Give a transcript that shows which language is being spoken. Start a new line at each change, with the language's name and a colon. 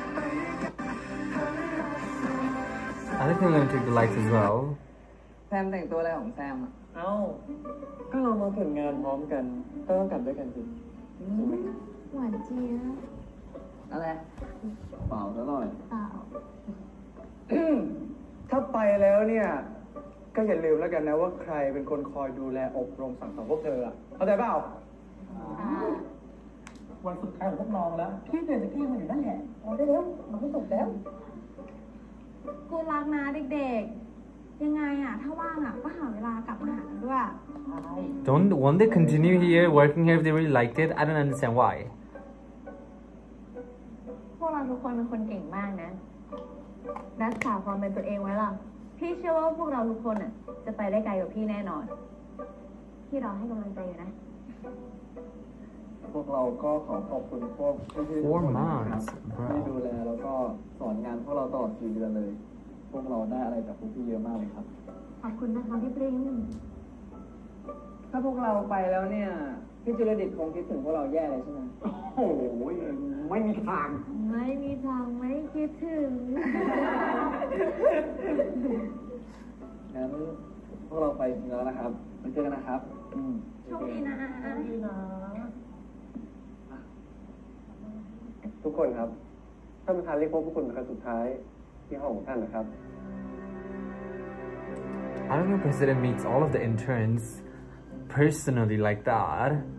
English: I think I'm going to take the lights as well. Sam, take the lights.
Thai: เอ้าก็เรามาถึงงานพร้อมกันก็ต้องกลับด้วยกันสิ หวานเจี๊ย บอะไรเปล่าซะหน่อย เปล่า ถ้าไปแล้วเนี่ยก็อย่าลืมแล้วกันนะว่าใครเป็นคนคอยดูแลอบรมสั่งสอนพวกเธอเข้าใจเปล่ า วันสุดท้ายของพวกน้องแล้วพี่เดินจะกี้มันอยู่นั่นแหละ ออกได้แล้วมันไม่ตกแล้ว กูรักนะเด็กยังไงอ่ะถ้าว่างอ่ะก็หาเวลากลับมาหาด้วย
English: Don't want to continue here working here if they really liked it I don't understand why
Thai: พวกเราทุกคนเป็นคนเก่งมากนะรักษาความเป็นตัวเองไว้ล่ะพี่เชื่อว่าพวกเราทุกคนอ่ะจะไปได้ไกลกว่าพี่แน่นอนพี่รอให้กำลังใจอยู่นะ พวกเราก็ขอขอบคุณพวกที่
English: Four months, bro.
Thai: ที่ดูแลแล้วก็สอนงานพวกเราตลอด4เดือนเลยพวกเราได้อะไรจากพวกพี่เยอะมากเลยครับ ขอบคุณนะคะพี่เปรี้ยง ถ้าพวกเราไปแล้วเนี่ยพี่จุลดิษฐ์คงคิดถึงพวกเราแย่เลยใช่ไหม โอ้ยไม่มีทาง ไม่มีทางไม่คิดถึง งั้นพวกเราไปถึงแล้วนะครับไปเจอกันนะครับ โชคดีนะ โชคดีนะ ทุกคนครับท่านประธานเรียกพวกทุกคนเป็นครั้งสุดท้ายที่ห้องของท่านนะครับ
English: I don't know if President meets all of the internsPersonally, like that.